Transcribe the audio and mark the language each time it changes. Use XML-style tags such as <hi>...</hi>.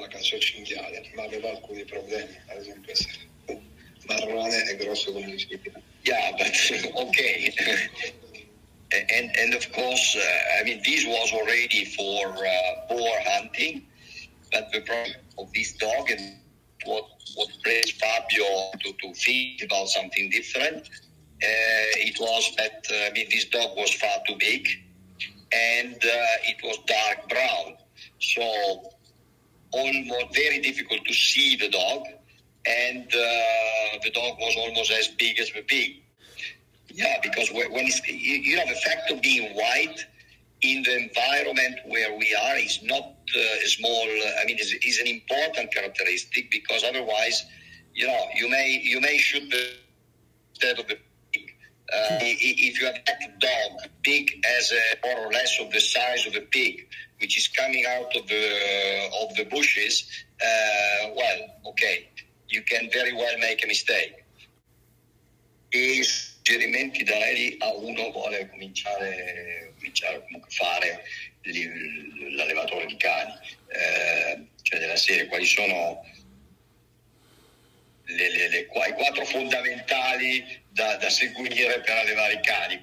<it>La caccia cinghiale, ma aveva alcuni problemi, ad esempio essere marrone è grosso come si chiama.</it> <en>Yeah, but okay. And of course, I mean, this was already for boar hunting, but the problem of this dog and what brings Fabio to think about something different. It was that this dog was far too big, and it was dark brown, so almost very difficult to see the dog, and the dog was almost as big as the pig. Yeah, because when it's, you know, the fact of being white in the environment where we are is not small. I mean, is an important characteristic, because otherwise, you know, you may shoot the instead of the pig. If you have that dog big as a, more or less of the size of a pig, which is coming out of the bushes, well, okay, you can very well make a mistake.</en> <it>Suggerimenti darei a uno vuole cominciare comunque fare l'allevatore di cani, cioè della serie, quali sono i quattro fondamentali da seguire per allevare i cani?</it>